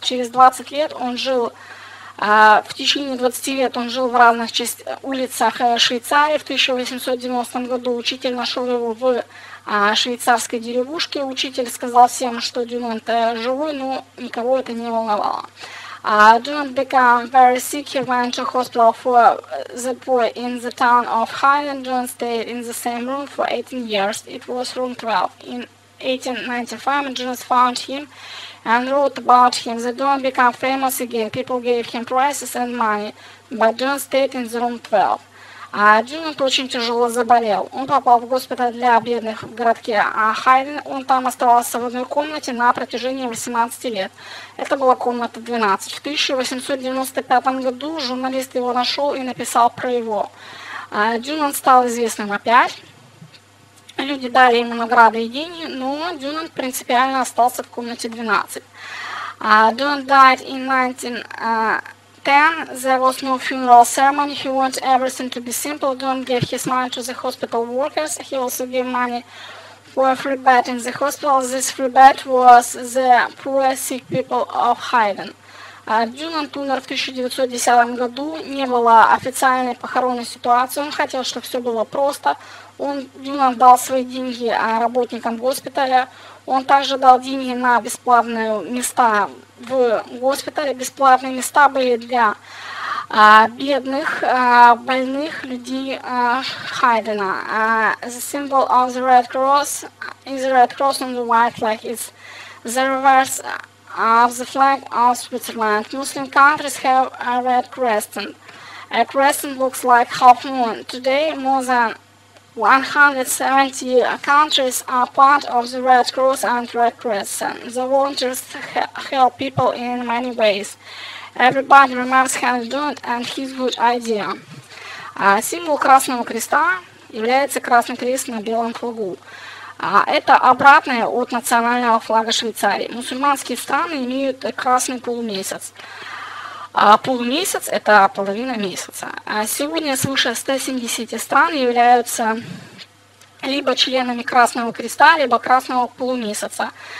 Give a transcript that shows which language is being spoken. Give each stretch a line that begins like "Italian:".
Russian: Через 20 лет он жил, в течение 20 лет он жил в разных улицах Швейцарии. В 1890 году учитель нашел его в швейцарской деревушке. Учитель сказал всем, что Дюнант живой, но никого это не волновало.
English: Dunant became very sick. He went to hospital for the poor in the town of Highland. Dunant stayed in the same room for 18 years. It was room 12. In 1895, Dunant found him and wrote about him. The Dunant became famous again. People gave him prizes and money, but Dunant stayed in the room 12.
Russian: Дюнант очень тяжело заболел. Он попал в госпиталь для бедных в городке Хайден. Он там оставался в одной комнате на протяжении 18 лет. Это была комната 12. В 1895 году журналист его нашел и написал про его. Дюнант стал известным опять. Люди дали ему награды и деньги, но Дюнант принципиально остался в комнате 12.
English: Дюнант died in 1910, there was no funeral ceremony. He wanted everything to be simple. Dunant gave his money to the hospital workers. He also gave money for a free bed in the hospital. This free bed was the poor sick people of Hayden.
Russian: Дюнант умер в 1910 году. Не было официальной похоронной ситуации. Он хотел, чтобы все было просто. Дюнант дал свои деньги работникам госпиталя. Он также дал деньги на бесплатные места в госпитале. Бесплатные места были для бедных, больных людей Хайдена.
English: The symbol of the Red Cross is the Red Cross on the white flag. It's the reverse of the flag of Switzerland. Muslim countries have a red crescent. A crescent looks like half moon. Today, more than 170 countries are part of the Red Cross and Red Crescent. The volunteers help people in many ways. Everybody remembers Henry Дунант and his good idea.
Russian: Символ Красного Креста является Красный Крест на белом флагу. Это обратное от национального флага Швейцарии. Мусульманские страны имеют красный полумесяц. Полумесяц – это половина месяца. Сегодня свыше 170 стран являются либо членами Красного Креста, либо Красного Полумесяца.